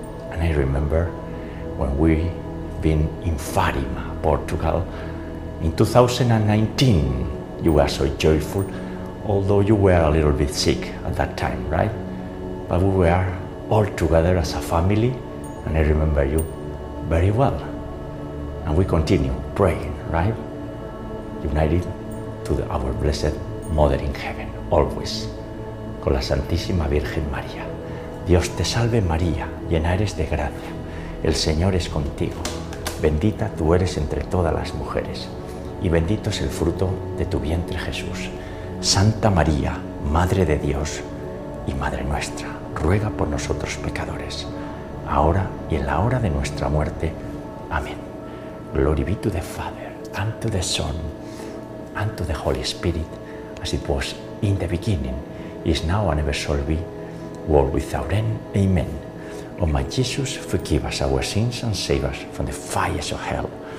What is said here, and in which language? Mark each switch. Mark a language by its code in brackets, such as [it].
[en] And I remember when we've been in Fatima, Portugal, in 2019, you were so joyful, although you were a little bit sick at that time, right? But we were all together as a family, and I remember you very well. And we continue praying, right? United to our Blessed Mother in Heaven, always. [es] Con la Santísima Virgen María. Dios te salve María, llena eres de gracia. El Señor es contigo. bendita tú eres entre todas las mujeres, y bendito es el fruto de tu vientre, Jesús. Santa María, Madre de Dios y Madre nuestra, ruega por nosotros pecadores, ahora y en la hora de nuestra muerte. Amén. [en] Glory be to the Father, and to the Son, and to the Holy Spirit, as it was in the beginning, is now and ever shall be, world without end. Amen. O my Jesus, forgive us our sins and save us from the fires of hell.